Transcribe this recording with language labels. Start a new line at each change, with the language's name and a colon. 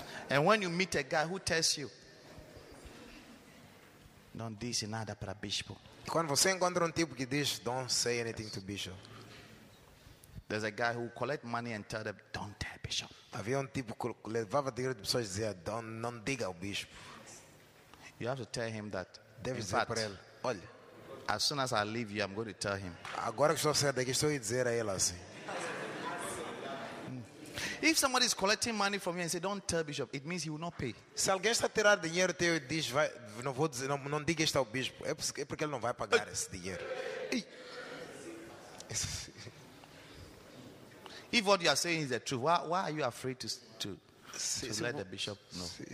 English: And when you meet a guy who tells you, don't this and that
Portuguese: para bispo. Quando você encontra tipo que diz,
English: don't say anything to bishop. There's a guy who collect money and tell them, don't tell bishop.
Portuguese: Havia tipo que levava dinheiro de pessoas e dizia, não diga ao bispo.
English: You have to tell him that.
Portuguese: Deve dizer para ele, olha,
English: as soon as I leave you, I'm going to tell him.
Portuguese: Agora que estou saindo daqui, estou a dizer a ele assim.
English: If somebody is collecting money from you and say, don't tell bishop, it means he will not pay.
Portuguese: Se alguém está a tirar dinheiro teu e diz, vai, não vou dizer, não diga isto ao bispo, é porque ele não vai pagar esse dinheiro.
English: If what you are saying is the truth, why are you afraid to let the bishop know?